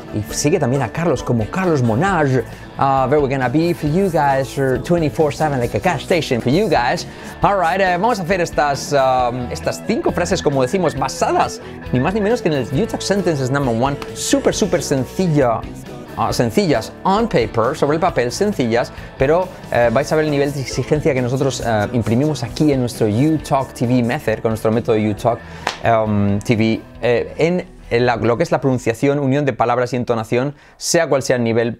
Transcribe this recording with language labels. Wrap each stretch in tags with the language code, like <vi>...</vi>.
<es>Y sigue también a Carlos como Carlos Monage.</es> <en>Where we're gonna be for you guys, 24/7, like a gas station for you guys. All right,</en> <es>vamos a hacer estas 5 frases, como decimos, basadas ni más ni menos que en el YouTalk Sentences Number 1, súper, súper sencillas,</es> <en>on paper,</en> <es>sobre el papel, sencillas, pero vais a ver el nivel de exigencia que nosotros imprimimos aquí en nuestro YouTalk TV Method, con nuestro método YouTalk TV, lo que es la pronunciación, unión de palabras y entonación, sea cual sea el nivel.</es>